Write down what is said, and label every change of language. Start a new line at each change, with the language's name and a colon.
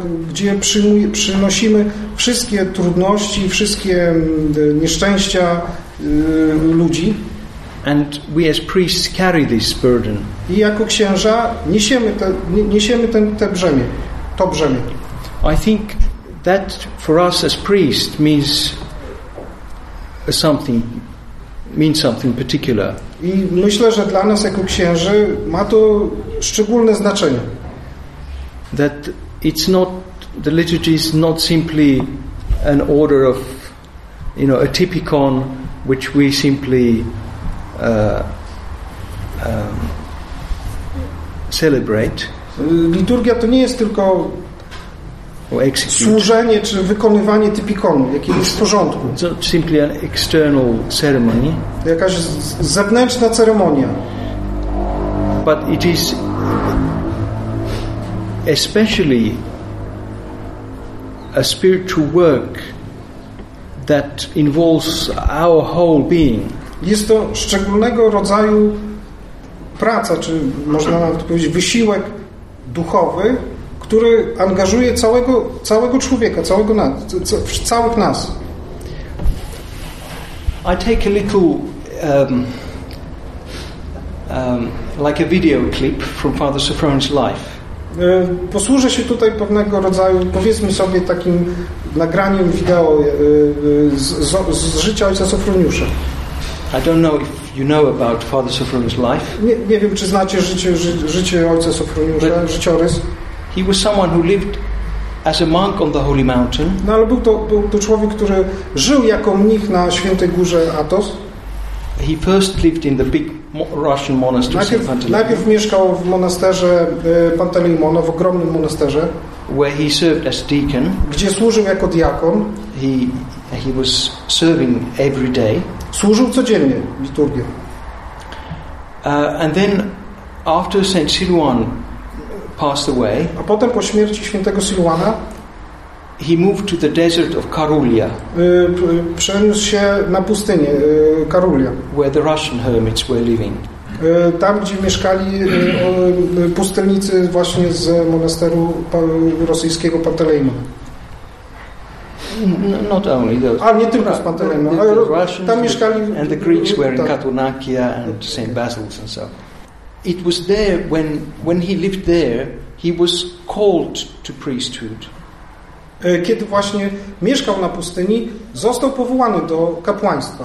Polish: Gdzie przynosimy wszystkie trudności, wszystkie nieszczęścia ludzi.
English: And we as priests carry this burden.
Polish: I jako księża niesiemy to brzemię. To brzemię.
English: I think that for us as priests means something, means something particular.
Polish: I myślę, że dla nas jako księży ma to szczególne znaczenie.
English: That it's not, the liturgy is not simply an order of, you know, a typikon, which we simply celebrate.
Polish: Liturgia to nie jest tylko służenie czy wykonywanie typikonu, jakiegoś porządku.
English: It's not simply an external ceremony.
Polish: Jakaś zewnętrzna ceremonia.
English: But it is especially a spiritual work that involves our whole being.
Polish: Jest to szczególnego rodzaju praca, czy można nawet powiedzieć wysiłek duchowy, który angażuje całego człowieka, całych nas.
English: I take a little like a video clip from Father Sofronie's life.
Polish: Posłużę się tutaj pewnego rodzaju, powiedzmy sobie, takim nagraniem wideo z życia ojca Sofroniusza.
English: I don't know if you know about Father Sofronie's life.
Polish: Nie wiem, czy znacie życie ojca Sofroniusza, życiorys.
English: He was someone who lived as a monk on the Holy Mountain.
Polish: No, ale był to człowiek, który żył jako mnich na świętej górze Athos.
English: He first lived in the big Russian monastery.
Polish: Najpierw mieszkał w monasterze Pantaleimona, w ogromnym monasterze,
English: where he served as deacon.
Polish: Gdzie służył jako diakon.
English: He was serving every day.
Polish: Służył codziennie liturgię.
English: And then after Saint Silwan passed away.
Polish: A potem po śmierci świętego Silwana,
English: he moved to the desert of Karulia.
Polish: Przeniósł się na pustynię Karulia,
English: where the Russian hermits were living.
Polish: Tam, gdzie mieszkali pustelnicy właśnie z monasteru rosyjskiego Panteleimon.
English: Not only those.
Polish: A nie tylko z Panteleimon. Tam mieszkali.
English: And the Greeks were in Katunakia and St. Basil's and so on. It was there when he lived there, he was called to priesthood.
Polish: Kiedy właśnie mieszkał na pustyni, został powołany do kapłaństwa.